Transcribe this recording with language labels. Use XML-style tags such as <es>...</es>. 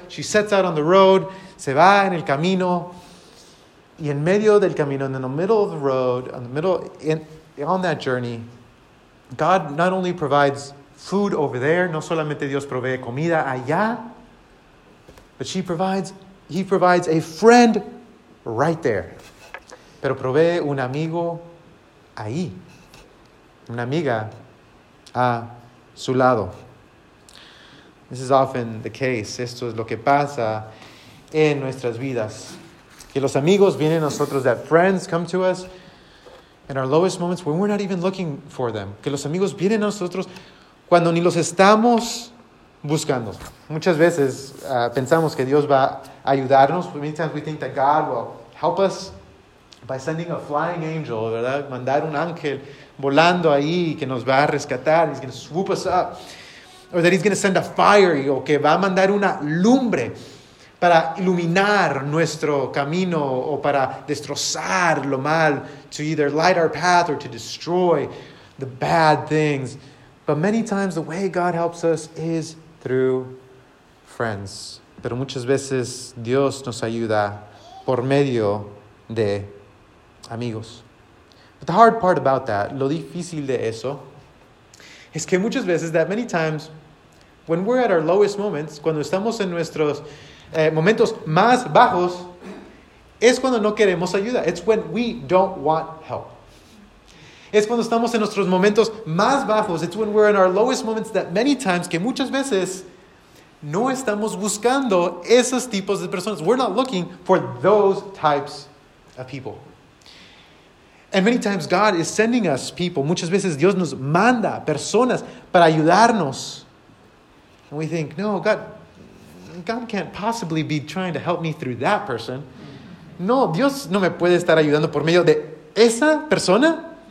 <en>She sets out on the road,</en> <es>se va en el camino, y en medio del camino,</es> <en>in the middle of the road, in the middle, on that journey, God not only provides food over there,</en> <es>no solamente Dios provee comida allá,</es> <en>but he provides a friend right there.</en> <es>Pero provee un amigo ahí, una amiga a su lado.</es> <en>This is often the case.</en> <es>Esto es lo que pasa en nuestras vidas. Que los amigos vienen a nosotros,</es> <en>that friends come to us in our lowest moments when we're not even looking for them.</en> <es>Que los amigos vienen a nosotros cuando ni los estamos buscando. Muchas veces pensamos que Dios va</es> <en>ayudarnos. Many times we think that God will help us by sending a flying angel, ¿verdad?</en> <es>Mandar un ángel volando ahí que nos va a rescatar.</es> <en>He's going to swoop us up. Or that he's going to send a fire,</en> <es>o que va a mandar una lumbre para iluminar nuestro camino o para destrozar lo mal,</es> <en>to either light our path or to destroy the bad things. But many times the way God helps us is through friends.</en> <es>Pero muchas veces Dios nos ayuda por medio de amigos.</es> <en>But the hard part about that,</en> <es>lo difícil de eso, es que muchas veces,</es> <en>that many times, when we're at our lowest moments,</en> <es>cuando estamos en nuestros momentos más bajos, es cuando no queremos ayuda.</es> <en>It's when we don't want help.</en> <es>Es cuando estamos en nuestros momentos más bajos.</es> <en>It's when we're in our lowest moments that many times,</en> <es>que muchas veces, no estamos buscando esos tipos de personas.</es> <en>We're not looking for those types of people. And many times God is sending us people.</en> <es>Muchas veces Dios nos manda personas para ayudarnos.</es> <en>And we think, no, God can't possibly be trying to help me through that person.</en> <es>No, Dios no me puede estar ayudando por medio de esa persona.</es>